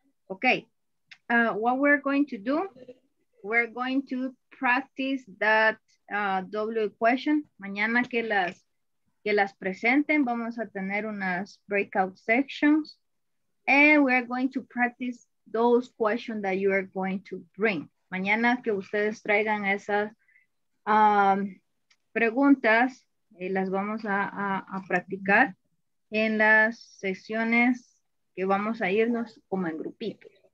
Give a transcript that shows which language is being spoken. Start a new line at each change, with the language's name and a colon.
English: Okay, what we're going to do, we're going to practice that W question.
Spanish: Mañana que las presenten, vamos a tener unas breakout sessions.
English: And we're going to practice those questions that you are going to bring.
Spanish: Mañana que ustedes traigan esas preguntas, las vamos a practicar en las sesiones que vamos a irnos como en grupitos.